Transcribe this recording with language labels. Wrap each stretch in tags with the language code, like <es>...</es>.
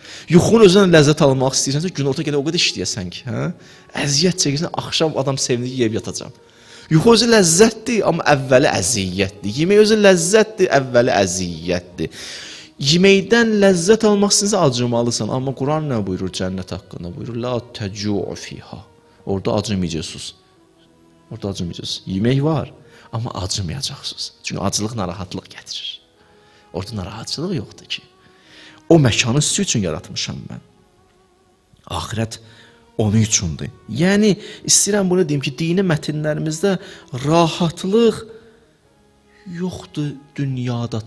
<az>Yuxun özünə ləzzət almaq istəyirsən, günorta gələk o qədər işləyəsən ki, hə? Əziyyət çəkirsən, axşam adam sevindir ki, yeyib yatacaq. Yuxu özü ləzzətdir, amma əvvəli əziyyətdir. Yemək özü ləzzətdir, əvvəli əziyyətdir. Yeməkdən ləzzət almaq istəyirsən, acımalısan. Amma Quran nə buyurur cənnət haqqında?</az> <ar>Buyurur, la təcu'u fiha.</ar> <az>Orada acımayacaqsınız. Orada acımayacaqsınız. Yemək var, amma acımayacaqsınız. Çünki acılıq narahatlıq gətirir. Orada narahatçılıq yoxdur ki. O məkanı sizin üçün yaratmışam mən. Ahirət onun üçündür. Yəni, istəyirəm bunu deyim ki, dini mətinlərimizdə rahatlıq yoxdur dünyada.</az>